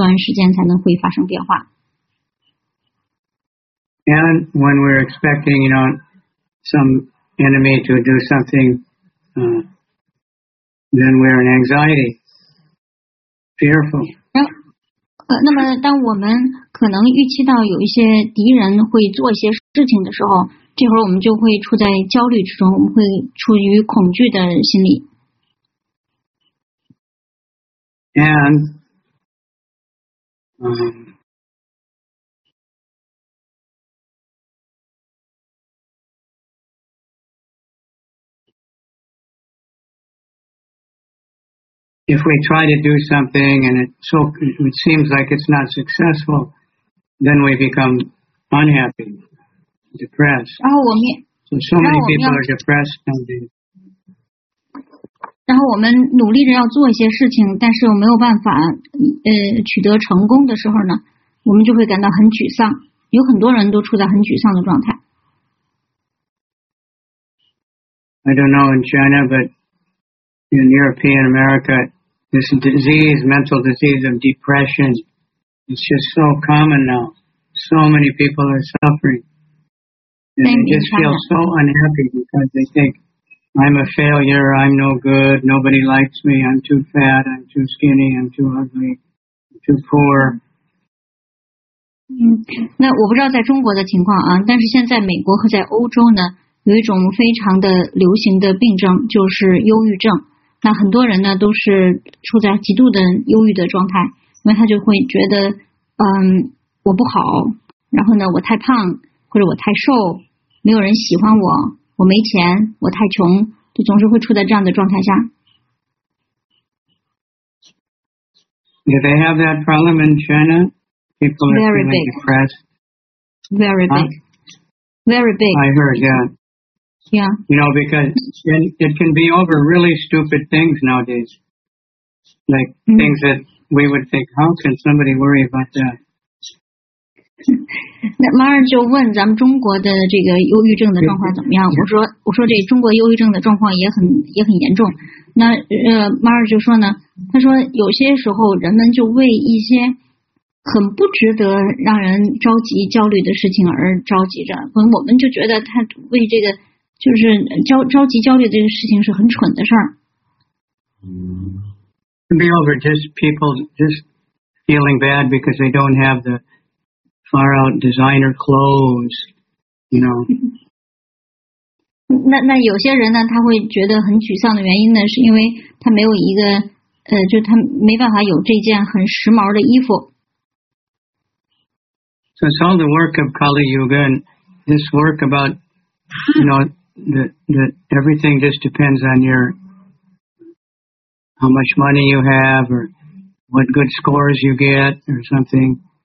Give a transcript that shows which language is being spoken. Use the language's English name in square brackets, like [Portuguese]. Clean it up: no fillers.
[Chinese] 所以呢，我们要知道的就是在这受条件限制的这个世界里面，所有的这一切都是在不断的变化的。有些事情的变化呢，可能很快就变了，但有些变化呢，要隔上一段时间才能会发生变化。 [English] And when we're expecting, you know, some enemy to do something, then we're in anxiety, fearful. [Chinese] 那么当我们可能预期到有一些敌人会做一些事情的时候，这会儿我们就会处在焦虑之中，我们会处于恐惧的心理。 [English] And if we try to do something and it seems like it's not successful, then we become unhappy, depressed. So many people are depressed nowadays. [Chinese] 然后我们努力着要做一些事情，但是又没有办法取得成功的时候呢，我们就会感到很沮丧，有很多人都处在很沮丧的状态。 [English] I don't know in China, but in European America, this disease, mental disease of depression, it's just so common now. So many people are suffering. And they just feel so unhappy because they think,I'm a failure, I'm no good, nobody likes me, I'm too fat, I'm too skinny, I'm too ugly, I'm too poor. [Chinese] 那我不知道在中国的情况啊，但是现在美国和在欧洲呢，有一种非常的流行的病症，就是忧郁症。那很多人呢，都是处在极度的忧郁的状态，因为他就会觉得，我不好，然后呢，我太胖，或者我太瘦，没有人喜欢我。我没钱，我太穷，就总是会处在这样的状态下。 [English] Do they have that problem in China? People are very feeling big. Depressed. Very big. Very big. I heard, yeah. Yeah. You know, because it can be over really stupid things nowadays. Like things that we would think, how can somebody worry about that? [Chinese] 那马尔就问咱们中国的这个忧郁症的状况怎么样？我说这中国忧郁症的状况也很严重。那马尔就说呢，他说有些时候人们就为一些很不值得让人着急焦虑的事情而着急着，可能我们就觉得他为这个就是着急焦虑这个事情是很蠢的事儿。 [English] Be over just people just feeling bad because they don't have the. Far out designer clothes, you know. [Chinese] 那有些人呢，他会觉得很沮丧的原因呢，是因为他没有一个，就他没办法有这件很时髦的衣服。 [English] So it's all the work of Kali Yuga, and this work about, you know, that everything just depends on your how much money you have, or what good scores you get, or something.